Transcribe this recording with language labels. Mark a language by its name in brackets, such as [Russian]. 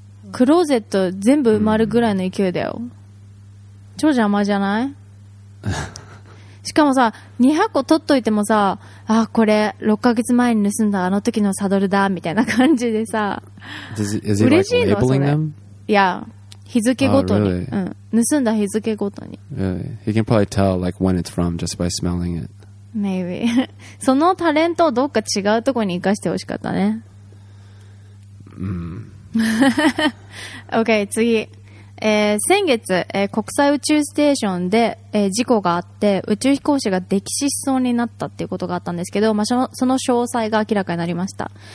[Japanese] クローゼット全部埋まるぐらいの勢いだよ。超邪魔じゃない？しかもさ、200個取っといてもさ、あ、これ6ヶ月前に盗んだあの時のサドルだみたいな感じでさ、嬉しいのそれ。いや、日付ごとに、うん、盗んだ日付ごとに。 [English] You can probably tell like when it's from just by smelling it. Maybe. [Japanese] そのタレントをどっか違うところに生かしてほしかったね。 OK、次。先月、国際宇宙ステーションで、事故があって宇宙飛行士が溺死しそうになったっていうことがあったんですけど、まあ、その詳細が明らかになりました。